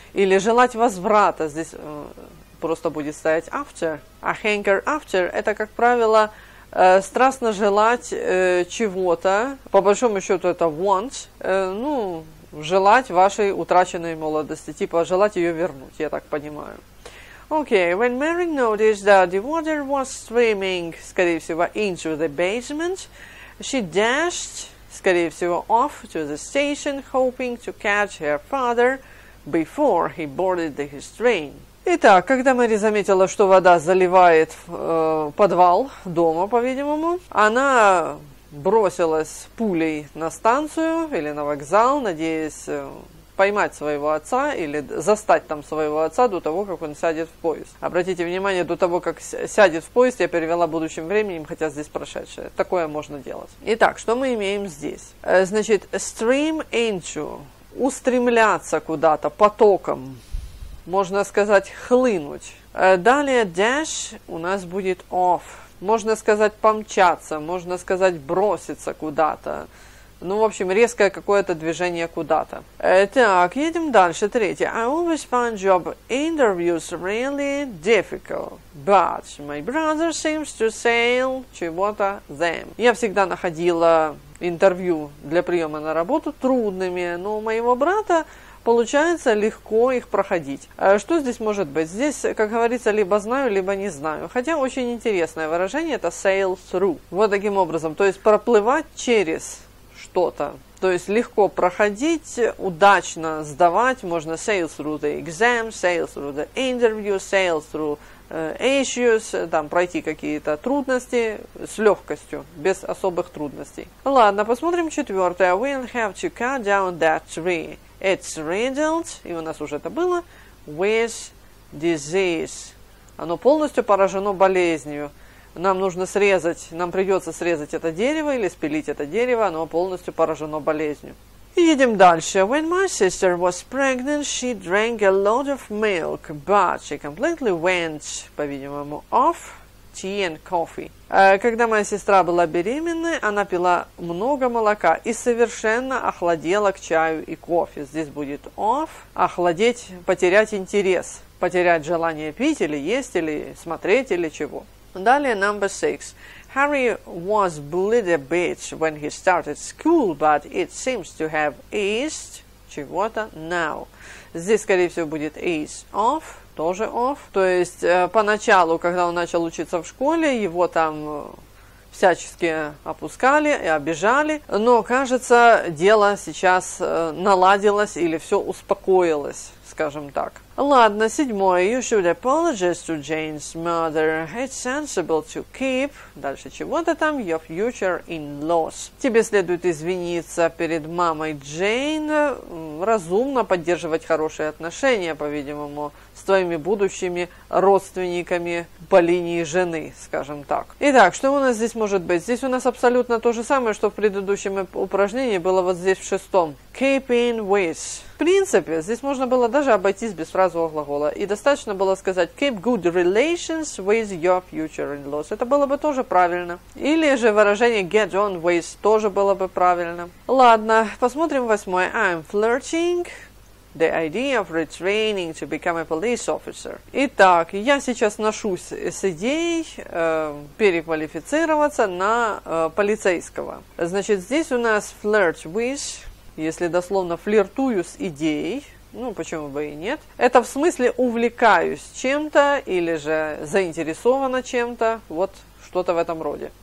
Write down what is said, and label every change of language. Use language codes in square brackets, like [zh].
[ru] Или желать возврата. Здесь просто будет стоять after. А hanker after — это, как правило, страстно желать чего-то, по большому счету это want, ну, желать вашей утраченной молодости, типа желать ее вернуть, я так понимаю. [en] Okay, when Mary noticed that the water was streaming, [ru] скорее всего, [en] into the basement, she dashed, скорее всего, off to the station, hoping to catch her father before he boarded his train. [ru] Итак, когда Мэри заметила, что вода заливает подвал дома, по-видимому, она бросилась пулей на станцию или на вокзал, надеясь поймать своего отца или застать там своего отца до того, как он сядет в поезд. Обратите внимание, до того, как сядет в поезд, я перевела будущим временем, хотя здесь прошедшее. Такое можно делать. Итак, что мы имеем здесь? Значит, stream into – устремляться куда-то потоком. Можно сказать «хлынуть». Далее «dash» у нас будет «off». Можно сказать «помчаться», можно сказать «броситься куда-то». Ну, в общем, резкое какое-то движение куда-то. Так, едем дальше. Третье. [en] I always find job interviews really difficult, but my brother seems to sell [ru] чего-то [en] them. [ru] Я всегда находила интервью для приема на работу трудными, но у моего брата получается легко их проходить. Что здесь может быть? Здесь, как говорится, либо знаю, либо не знаю. Хотя очень интересное выражение это sail through. Вот таким образом. То есть проплывать через что-то. То есть легко проходить, удачно сдавать. Можно [en] sail through the exam, sail through the interview, sail through issues, [ru] там пройти какие-то трудности с легкостью, без особых трудностей. Ладно, посмотрим четвертое. [en] We'll have to cut down that tree. It's riddled, [ru] и у нас уже это было, [en] with disease. [ru] Оно полностью поражено болезнью. Нам нужно срезать, нам придется срезать это дерево или спилить это дерево, оно полностью поражено болезнью. Едем дальше. [en] When my sister was pregnant, she drank a lot of milk, but she completely went, [ru] по-видимому, [en] off tea and coffee. [ru] Когда моя сестра была беременной, она пила много молока и совершенно охладела к чаю и кофе. Здесь будет off, охладеть, потерять интерес, потерять желание пить или есть, или смотреть, или чего. Далее, [en] number six. Harry was bullied a bit when he started school, but it seems to have eased [ru] чего-то [en] now. [ru] Здесь, скорее всего, будет ease off. Тоже off. То есть поначалу, когда он начал учиться в школе, его там всячески опускали и обижали. Но кажется, дело сейчас наладилось или все успокоилось, скажем так. Ладно, седьмое. [en] You should apologize to Jane's mother. It's sensible to keep. [ru] Дальше чего-то там. [en] Your future in laws. [ru] Тебе следует извиниться перед мамой Джейн. Разумно поддерживать хорошие отношения, по-видимому, с твоими будущими родственниками по линии жены, скажем так. Итак, что у нас здесь может быть? Здесь у нас абсолютно то же самое, что в предыдущем упражнении было вот здесь в шестом. [en] keeping with. [ru] В принципе, здесь можно было даже обойтись без фразового глагола. И достаточно было сказать [en] keep good relations with your future in-laws. [ru] Это было бы тоже правильно. Или же выражение get on with тоже было бы правильно. Ладно, посмотрим восьмое. [en] I'm flirting the idea of retraining to become a police officer. [ru] Итак, я сейчас ношусь с идеей переквалифицироваться на полицейского. Значит, здесь у нас flirt with, если дословно флиртую с идеей, ну, почему бы и нет. Это в смысле увлекаюсь чем-то или же заинтересована чем-то, вот что-то в этом роде.